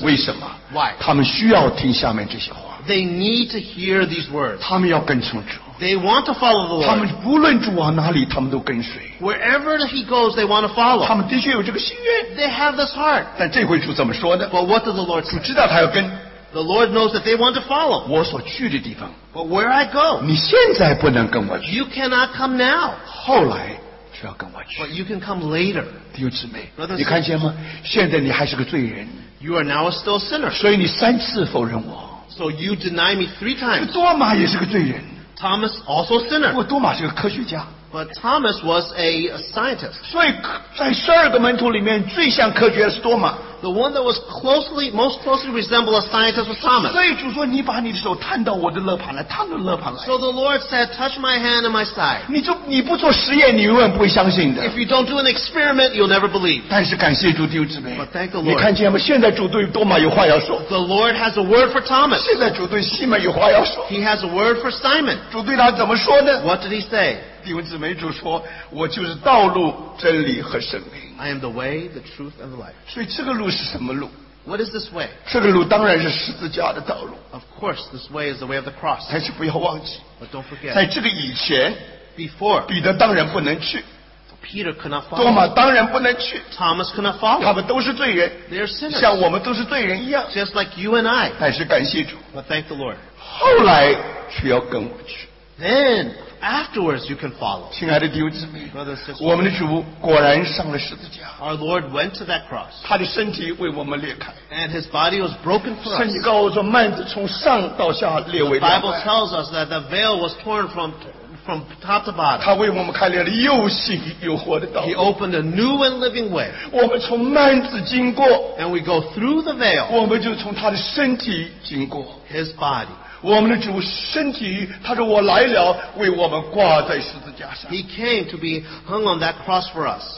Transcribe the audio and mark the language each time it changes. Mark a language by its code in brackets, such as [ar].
[en] sisters, [zh] 为什么? [en] Why? [zh] 他们需要听下面这些话, [en] they need to hear these words. [zh] 他们要跟从主, [en] they want to follow the Lord. [zh] 他们无论主往哪里, 他们都跟随, [en] wherever he goes, they want to follow. [zh] 他们的确有这个心愿, [en] they have this heart. [zh] 但这回主怎么说呢? [en] But what does the Lord say? [zh] 主知道他要跟, [en] the Lord knows that they want to follow. [zh] 我所去的地方, [en] but where I go, [zh] 你现在不能跟我去, [en] you cannot come now. [zh] 后来, [en] but you can come later. [zh] 弟兄姊妹, [en] Brothers, [zh] 你看见吗?现在你还是个罪人, [en] you are now still a sinner. [zh] 所以你三次否认我, [en] so you deny me three times. [zh] 多马也是个罪人, [en] Thomas also a sinner. [zh] 不过多马是个科学家, [en] but Thomas was a scientist. [zh] 所以在十二个门徒里面最像科学的是多马, [en] the one that was closely, most closely resembled a scientist was Thomas. [zh] 所以主说你把你的手探到我的肋旁来, [en] so the Lord said, touch my hand and my side. [zh] 你不做实验你永远不会相信的, [en] if you don't do an experiment, you'll never believe. [zh] 但是感谢主弟兄姊妹, [en] but thank the Lord. [zh] 你看见吗?现在主对多马有话要说, [en] the Lord has a word for Thomas. [zh] 现在主对西门有话要说, [en] he has a word for Simon. [zh] 主对他怎么说呢? [en] What did he say? [zh] 弟兄姊妹主说, 我就是道路, 真理和生命, [en] I am the way, the truth, and the life. [zh] 所以这个路是什么路? [en] What is this way? [zh] 这个路当然是十字架的道路。 [en] Of course, this way is the way of the cross. [zh] 但是不要忘记, [en] but don't forget, [zh] 在这个以前, [en] before, [zh] 彼得当然不能去, [en] Peter could not follow, [zh] 多马当然不能去, [en] Thomas could not follow. [zh] 他们都是罪人, [en] they are sinners, [zh] 像我们都是罪人一样, [en] just like you and I. [zh] 但是感谢主, [en] but thank the Lord. [zh] 后来却要跟我去, [en] then, afterwards, you can follow. [zh] 亲爱的弟兄姊妹, [en] Brothers, sisters, [zh] 我们的主果然上了十字架, [en] our Lord went to that cross. [zh] 他的身体为我们裂开, [en] and his body was broken for us. [zh] 圣经告诉我们,幔子从上到下裂为两半, [en] the Bible tells us that the veil was torn from top to bottom. [zh] 他为我们开了又新又活的道路, [en] he opened a new and living way. [zh] 我们从幔子经过, [en] and we go through the veil. [zh] 我们就从他的身体经过, [en] his body. [zh] 我们的主身体, 祂说我来了, [en] he came to be hung on that cross for us.